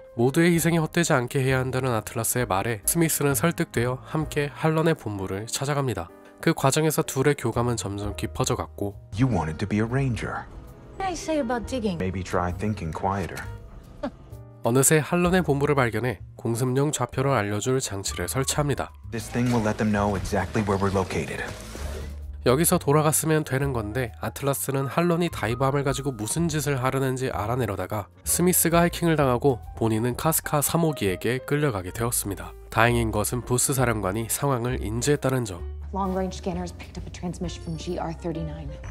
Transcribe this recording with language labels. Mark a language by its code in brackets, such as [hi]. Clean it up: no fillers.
[ko] 모두의 희생이 헛되지 않게 해야 한다는 아틀라스의 말에 스미스는 설득되어 함께 할런의 본부를 찾아갑니다. 그 과정에서 둘의 교감은 점점 깊어져 갔고 [en] You wanted to be a ranger. What did I say about digging? Maybe try thinking quieter. [ko] 어느새 할런의 본부를 발견해 공습용 좌표를 알려줄 장치를 설치합니다. [en] This thing will let them know exactly where we're located. [ko] 여기서 돌아갔으면 되는 건데 아틀라스는 할런이 다이버함을 가지고 무슨 짓을 하려는지 알아내려다가 스미스가 해킹을 당하고 본인은 카스카 3호기에게 끌려가게 되었습니다. 다행인 것은 부스 사령관이 상황을 인지했다는 점. [en] Long range scanners picked up a transmission from GR39.